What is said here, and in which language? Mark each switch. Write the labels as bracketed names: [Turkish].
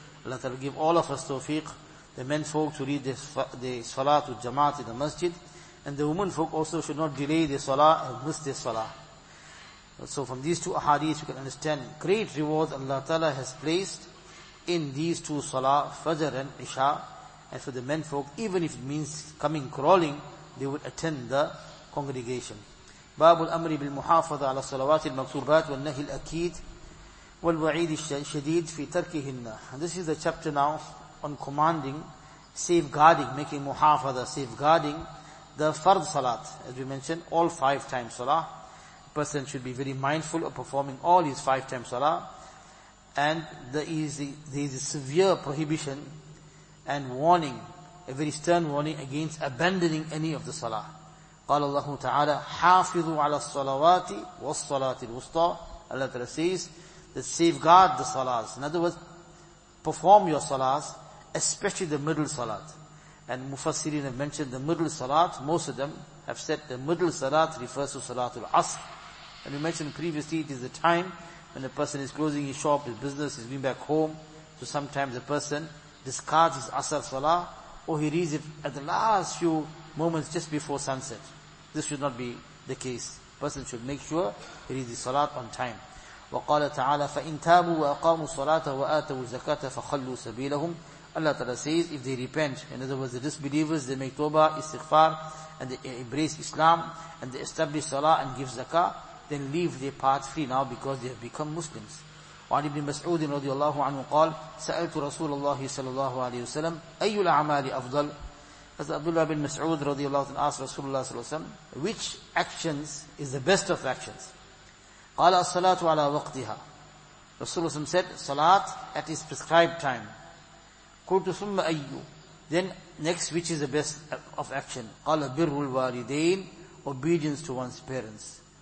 [English] Allah Ta'ala give all of us tawfiq, the men folk to read the salah with jamaat in the masjid, and the women folk also should not delay the salah and miss the salah. So from these two ahadith, you can understand great rewards Allah Ta'ala has placed in these two salah, Fajr and Isha. And for the men folk, even if it means coming crawling, they would attend the congregation. [Arabic] باب الأمر بالمحافظة على الصلوات المكتوبات والنهي الأكيد والوعيد الشديد في تركهن. [English] This is the chapter now on commanding, safeguarding, making muhafaza, safeguarding the fard salat. As we mentioned, all five times salah. Person should be very mindful of performing all his five times salah, and there is a severe prohibition and warning, a very stern warning against abandoning any of the salah. [Arabic] قال الله تعالى حافظوا على الصلوات والصلاة الوسطى. [English] Allah Ta'ala says that safeguard the salahs. In other words, perform your salahs, especially the middle salat. And Mufassirin have mentioned the middle salat. Most of them have said the middle salat refers to salatul asr. And we mentioned previously, it is the time when a person is closing his shop, his business, he's going back home. So sometimes a person discards his asr salah, or he reads it at the last few moments just before sunset. This should not be the case. Person should make sure he reads his salat on time. [Arabic] وَقَالَ تَعَالَى فَإِنْ تَابُوا وَأَقَامُوا الصَّلَاةَ وَآتَوُوا الزَّكَاةَ فَخَلُّوا سَبِيلَهُمْ. [English] Allah Ta'ala says, if they repent, in other words, the disbelievers, they make tawbah, istighfar, and they embrace Islam, and they establish salah and give zakah, then leave their path free now because they have become Muslims. [Arabic] وعن ابن مسعود رضي الله عنه قال سألت رسول الله صلى الله عليه وسلم أي الأعمال أفضل. [English] As Abdullah bin Mas'ud [Arabic] رضي الله عنه [English] asked Rasulullah [Arabic] صلى الله عليه وسلم, [English] which actions is the best of actions? [Arabic] قال الصلاة على وقتها. [English] Rasulullah [Arabic] صلى الله عليه وسلم [English] said, Salat at its prescribed time. [Arabic] قلت ثم أي. [English] Then next, which is the best of action? [Arabic] قال بر الوالدين, [English] obedience to one's parents.